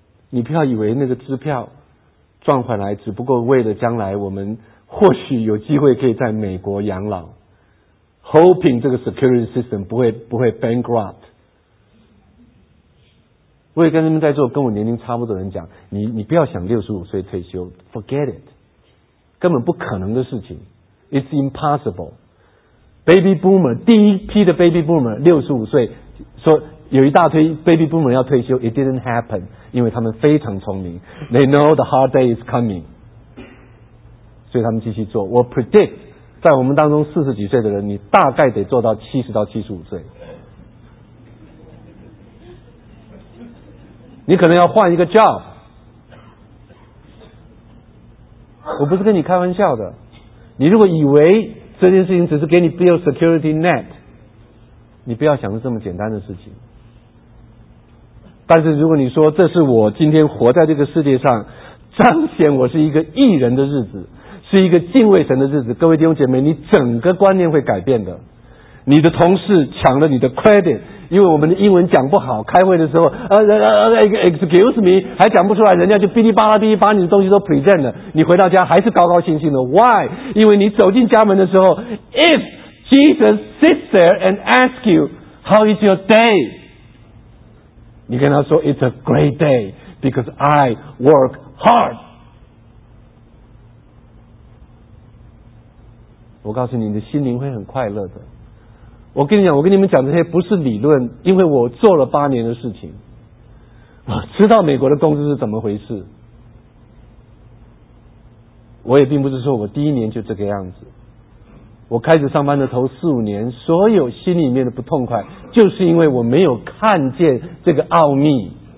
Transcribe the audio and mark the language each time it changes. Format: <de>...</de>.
<zh>你不要以为那个支票赚回来只不过为了将来我们或许有机会可以在美国养老， hoping 这个 security system 不会 bankrupt。我也跟他们在座跟我年龄差不多的人讲，你不要想65岁退休，</zh> <en>forget it，</en> <zh>根本不可能的事情，</zh> <en>it's impossible。</en> <zh>baby boomer 第一批的 baby boomer 65岁说有一大堆 baby boomer 要退休，</zh> <en>it didn't happen，</en> <zh>因为他们非常聪明，</zh> <en>they know the hard day is coming，</en> <zh>所以他们继续做。我 predict 在我们当中40几岁的人，你大概得做到70到75岁，你可能要换一个 job。我不是跟你开玩笑的，你如果以为这件事情只是给你</zh> <en>build security net，</en> <zh>你不要想着这么简单的事情。但是如果你说这是我今天活在这个世界上彰显我是一个义人的日子，是一个敬畏神的日子，各位弟兄姐妹，你整个观念会改变的。你的同事抢了你的 credit，因为我们的英文讲不好，开会的时候</zh> <en>excuse me</en> <zh>还讲不出来，人家就哔哩吧啦哔哩把你的东西都 present 了，你回到家还是高高兴兴的。</zh> <en>Why？</en> <zh>因为你走进家门的时候，</zh> <en>If Jesus sits there and asks you How is your day，</en> <zh>你跟他说</zh> <en>It's a great day because I work hard。</en> <zh>我告诉你，你的心灵会很快乐的。我跟你讲，我跟你们讲这些不是理论，因为我做了八年的事情，我知道美国的工资是怎么回事。我也并不是说我第一年就这个样子，我开始上班的头四五年所有心里面的不痛快就是因为我没有看见这个奥秘。</zh>